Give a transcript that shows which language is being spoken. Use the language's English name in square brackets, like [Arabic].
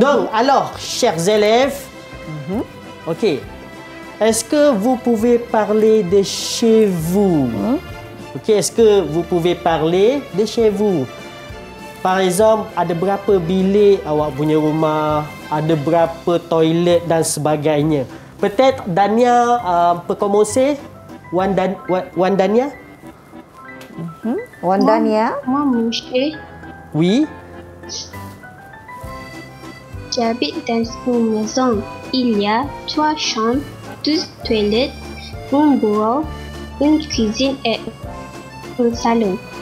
[French] Donc, alors, chers élèves. Mm-hmm. Ok. Est-ce que vous pouvez parler de chez vous? Mm-hmm. Ok, est-ce que vous pouvez parler de chez vous? Par exemple, [Malay] ada berapa bilik awak punya rumah? Ada berapa toilet dan sebagainya? [French] Peut-être Dania peut commencer? Wan Dania? Wan Dania? Moi, mon chez. Oui. J'habite dans une maison. Il y a trois chambres, deux toilettes, un bureau, une cuisine et un salon.